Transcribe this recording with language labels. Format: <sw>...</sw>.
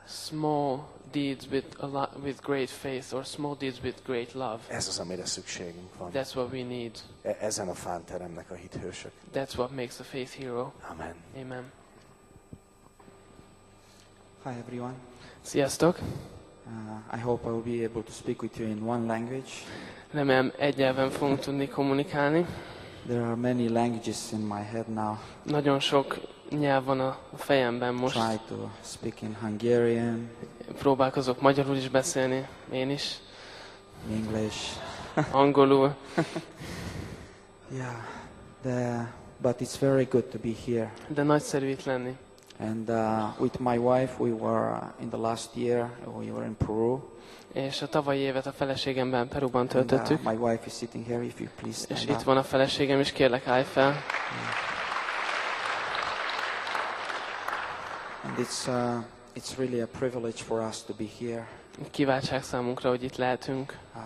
<en>Small deeds with great faith or small deeds with great love.</en> <hu>Ez az, amire szükségünk van.</hu> <en>That's what we need.</en> <hu>Ezen a fánteremnek a hithősök.</hu> <en>That's what makes a faith hero.</en> <hu>Amen.</hu> <en>Amen. Hi everyone.</en> <hu>Sziasztok.</hu> <en>I hope I will be able to speak with you in one language.</en> <hu>Remélem egy nyelven fogunk tudni kommunikálni.</hu> <en>There are many languages in my head now.</en> <hu>Nagyon sok nyelv van a fejemben most.</hu> <en>Try to speak in Hungarian.</en> <hu>Próbálkozok magyarul is beszélni, én is.</hu> <en>English.</en> <hu>angolul.</hu> <en>Yeah, but it's very good to be here.</en> <hu>De nagyszerű itt lenni.</hu> <en>And with my wife, we were in the last year, we were in Peru.</en> <hu>És a tavalyi évet a feleségemben Peruban töltöttük.</hu> <en>My wife is sitting here, if you please stand up.</en> <hu>És itt van a feleségem, és kérlek, állj fel.</hu> <en>And it's really a privilege for us to be here.</en> <hu>Kiváltság számunkra, hogy itt lehetünk.</hu>